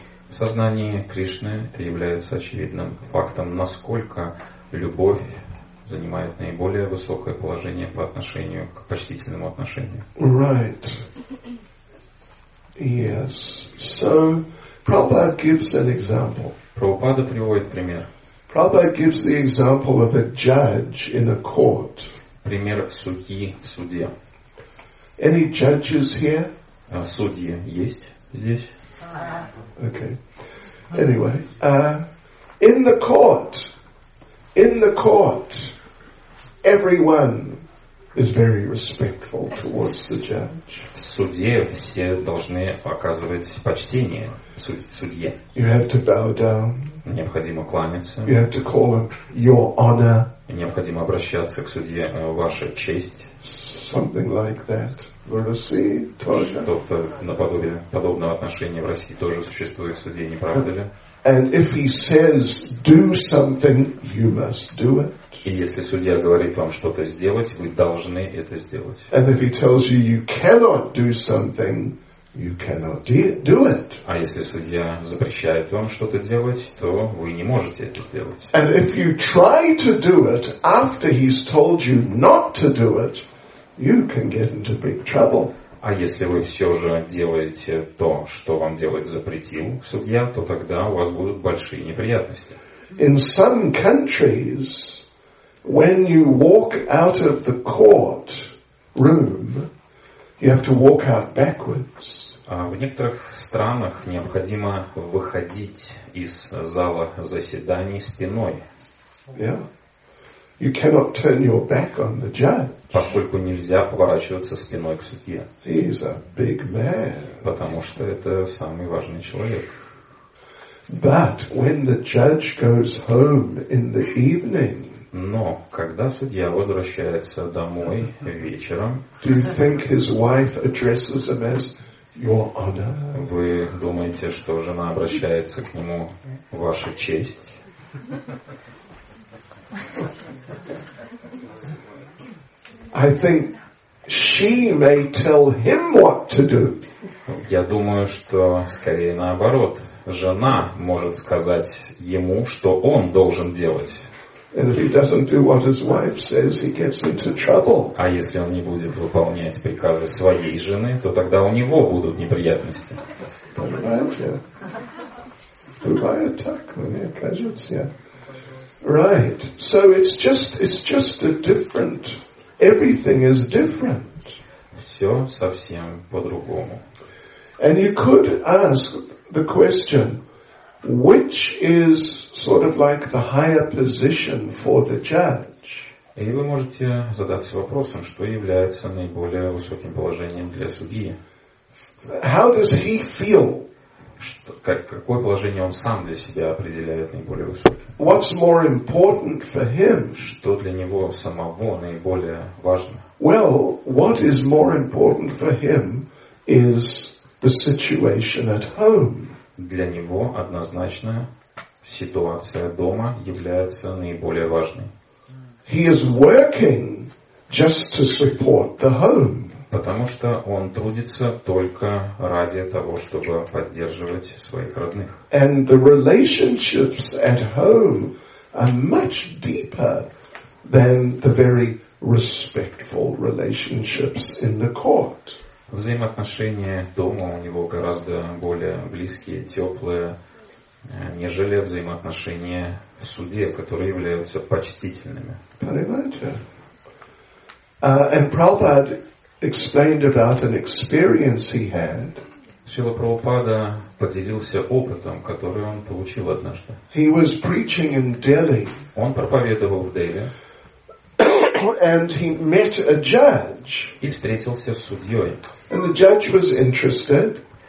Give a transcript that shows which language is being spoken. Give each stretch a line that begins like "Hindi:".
Russian: Сознание Кришны это является очевидным фактом, насколько любовь занимает наиболее высокое положение по отношению к почтительному отношению.
English: Right. Yes. So Prabhupada gives an example.
Russian: Прабхупада приводит пример.
English: Prabhupada gives the example of a judge in a court.
Russian: Пример судьи в суде.
English: Any judges here?
Russian: А судьи есть здесь?
English: Okay. Anyway, in the court, everyone is very respectful towards the judge.
Russian: В суде все должны оказывать почтение судье.
English: You have to bow down.
Russian: Необходимо кланяться.
English: You have to call him your honor.
Russian: Необходимо обращаться к судье, ваша честь.
English: Something like that.
Russian: В России тоже. Что-то наподобие подобного отношения в России тоже существует в суде, не правда ли?
English: And if he says do something, you must do it.
Russian: И если судья говорит вам что-то сделать, вы должны это сделать.
English: And if he tells you you cannot do something, You cannot do it.
Russian: А если судья запрещает вам что-то делать, то вы не можете это сделать.
English: And if you try to do it after he's told you not to do it, you can get into big trouble.
Russian: А если вы все же делаете то, что вам делать запретил судья, то тогда у вас будут большие неприятности.
English: In some countries, when you walk out of the court room, you have to walk out backwards.
Russian: В некоторых странах необходимо выходить из зала заседаний спиной.
English: Yeah. You cannot turn your back on the judge.
Russian: Поскольку нельзя поворачиваться спиной к судье.
English: He is a big man.
Russian: Потому что это самый важный человек.
English: But when the judge goes home in the evening,
Russian: но когда судья возвращается домой вечером,
English: do you think his wife addresses him as your honor?
Russian: Вы думаете, что жена обращается к нему: ваша честь?
English: I think she may tell him what to do.
Russian: Я думаю, что скорее наоборот. Жена может сказать ему, что он должен делать.
English: And if he doesn't do what his wife says, he gets into trouble.
Russian: А если он не будет выполнять приказы своей жены, то тогда у него будут неприятности. Понимаете? Бывает так, мне кажется.
English: Right. So it's just a different. Everything is different.
Russian: Все совсем по-другому.
English: And you could ask the question, which is sort of like the higher position for the judge?
Russian: И вы можете задаться вопросом, что является наиболее высоким положением для судьи.
English: How does he feel?
Russian: Какое положение он сам для себя определяет наиболее высоким?
English: What's more important for him?
Russian: Что для него самого наиболее важно?
English: Well, what is more important for him is the situation at home.
Russian: Для него однозначно ситуация дома является наиболее важной.
English: He is working just to support the home.
Russian: Потому что он трудится только ради того, чтобы поддерживать своих родных.
English: And the relationships at home are much deeper than the very respectful relationships in the court.
Russian: Взаимоотношения дома у него гораздо более близкие, теплые, нежели взаимоотношения в суде, которые являются почтительными. Понимаете?
English: And Prabhupada explained about an experience he had.
Russian: Шрила Прабхупада поделился опытом, который он получил однажды.
English: He was preaching in Delhi.
Russian: Он проповедовал в Дели.
English: And he met a judge.
Russian: И встретился с судьей.
English: And the judge was interested.